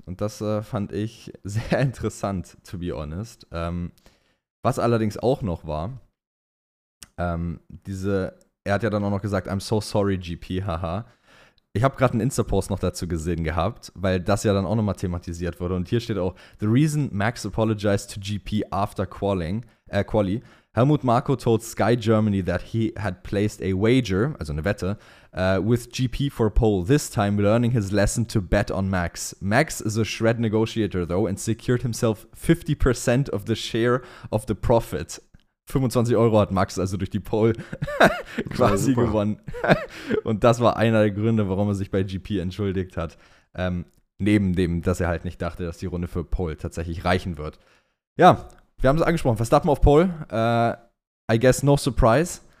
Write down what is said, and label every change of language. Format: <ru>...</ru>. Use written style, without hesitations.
<de>Und das fand ich sehr interessant,</de> <en>to be honest.</en> <de>Was allerdings auch noch war, er hat ja dann auch noch gesagt,</de> <en>I'm so sorry, GP, haha.</en> <de>Ich habe gerade einen Insta-Post noch dazu gesehen gehabt, weil das ja dann auch nochmal thematisiert wurde. Und hier steht auch,</de> <en>the reason Max apologized to GP after Quali, Helmut Marko told Sky Germany that he had placed a wager,</en> <de>also eine Wette,</de> <en>with GP for pole, this time learning his lesson to bet on Max. Max is a shred negotiator though and secured himself 50% of the share of the profit.</en> <de>25 Euro hat Max also durch die Pole quasi gewonnen. Und das war einer der Gründe, warum er sich bei GP entschuldigt hat. Neben dem, dass er halt nicht dachte, dass die Runde für Pole tatsächlich reichen wird. Ja, wir haben es angesprochen. Verstappen auf Pole.</de> <en>I guess no surprise.</en>